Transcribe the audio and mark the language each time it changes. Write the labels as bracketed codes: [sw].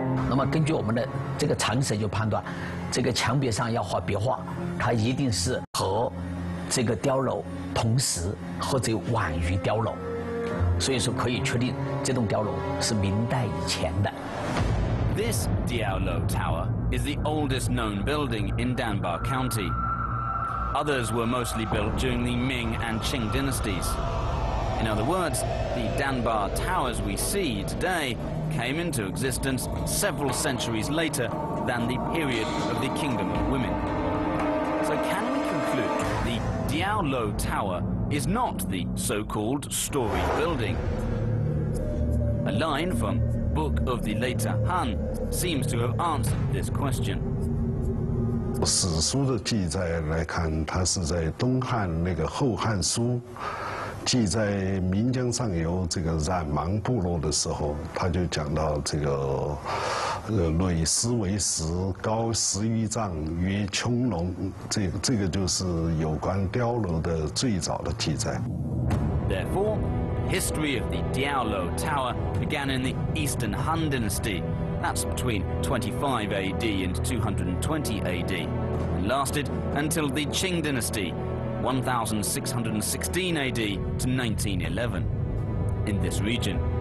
[zh] 那么根据我们的这个常识就判断，这个墙壁上要画壁画，它一定是和这个碉楼同时或者晚于碉楼，所以说可以确定这栋碉楼是明代以前的。 [en] This Diao Lo Tower is the oldest known building in Danbar County. Others were mostly built during the Ming and Qing dynasties. In other words, the Danbar towers we see today. Came into existence several centuries later than the period of the Kingdom of Women. So can we conclude the Diao Lo Tower is not the so-called story building? A line from Book of the Later Han seems to have answered this question. [zh] 史书的记载来看，它是在东汉那个《后汉书》记载岷江上游这个冉莽部落的时候，他就讲到这个垒石为石，高十余丈，曰穹隆。这个就是有关碉楼的最早的记载。 [en] Therefore, history of the Diao Lo Tower began in the Eastern Han Dynasty. That's between 25 AD and 220 AD, and lasted until the Qing Dynasty. 1616 AD to 1911 in this region.